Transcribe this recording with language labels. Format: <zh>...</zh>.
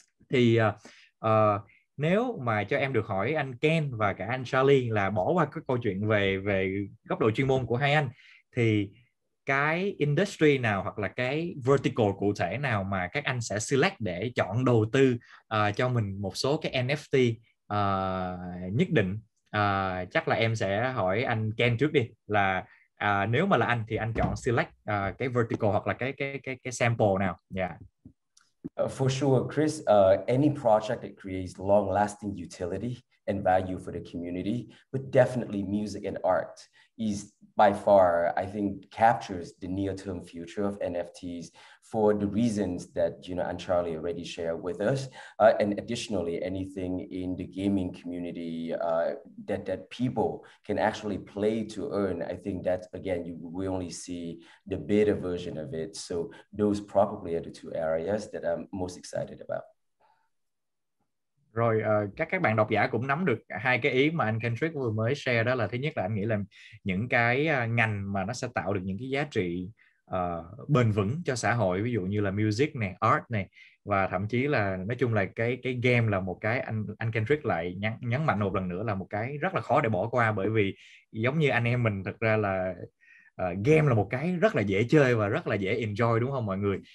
<vi>Thì nếu mà cho em được hỏi anh Ken và cả anh Charlie là bỏ qua cái câu chuyện về về góc độ chuyên môn của hai anh, thì cái industry nào hoặc là cái vertical cụ thể nào mà các anh sẽ select để chọn đầu tư cho mình một số cái NFT nhất định? Chắc là em sẽ hỏi anh Ken trước đi, là nếu mà là anh thì anh chọn select cái vertical hoặc là cái sample nào?</vi> <en>For sure, Chris, any project that creates long-lasting utility and value for the community, but definitely music and art is by far, I think, captures the near-term future of NFTs for the reasons that, you know, and Charlie already shared with us. And additionally, anything in the gaming community that people can actually play to earn, I think that, again, we only see the beta version of it. So those probably are the two areas that I'm most excited about.</en> <vi>Rồi các bạn độc giả cũng nắm được hai cái ý mà anh Kendrick vừa mới share, đó là thứ nhất là anh nghĩ là những cái ngành mà nó sẽ tạo được những cái giá trị bền vững cho xã hội, ví dụ như là music này, art này, và thậm chí là nói chung là cái game là một cái anh Kendrick lại nhấn mạnh một lần nữa là một cái rất là khó để bỏ qua, bởi vì giống như anh em mình thật ra là game là một cái rất là dễ chơi và rất là dễ enjoy, đúng không mọi người?</vi>